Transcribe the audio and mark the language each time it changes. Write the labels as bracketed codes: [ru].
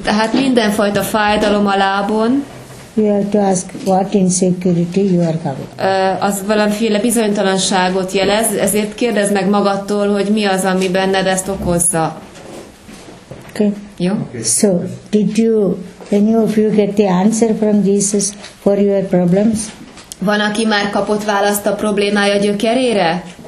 [hu] Tehát mindenfajta fájdalom a lábon. [en] You have to ask what insecurity you are having. [hu] Az valamiféle bizonytalanságot jelez, ezért kérdezd meg magadtól, hogy mi az, ami benned ezt okozza. [en] Okay. [hu] Jó? [en] Okay. So, did you, any of you get the answer from Jesus for your problems? [hu] Van, aki már kapott választ a problémája gyökerére?